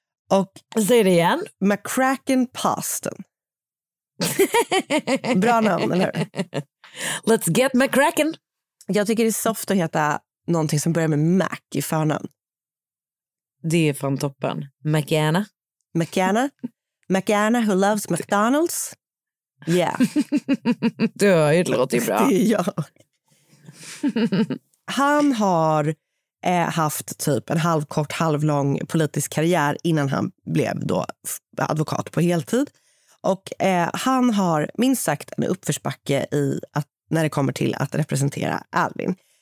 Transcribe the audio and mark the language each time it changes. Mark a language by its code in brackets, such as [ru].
[sv] Och säg det igen. McCracken Poston. Bra namn, eller hur? [en] Let's get McCracken. [sv] Jag tycker det är soft att heta någonting som börjar med Mac i förnamn. Det är från toppen. McAnna. McAnna? [en] McAnna who loves McDonald's? Yeah. [sv] Du har ju, det låter ju bra. Ja. Han har haft typ en halvkort, halvlång politisk karriär innan han blev då advokat på heltid. Och han har minst sagt en uppförsbacke i att, när det kommer till att representera Alvin.